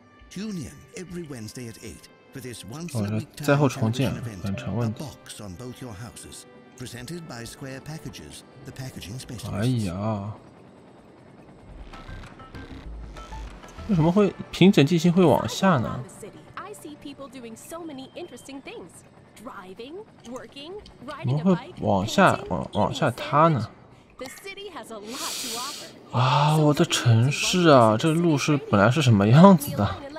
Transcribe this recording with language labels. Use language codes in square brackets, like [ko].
[en] Tune in every Wednesday at 8 for this once-a-week television event. A box on both your houses. Presented by Square Packages, the packaging specialist. [zh] 哎呀，为什么会平整地形会往下呢？ [en] I see people doing so many interesting things, driving, working, riding a bike. [zh] 怎么会往下塌呢？ [en] The city has a lot to offer. [zh] 啊，我的城市啊，这路是本来是什么样子的？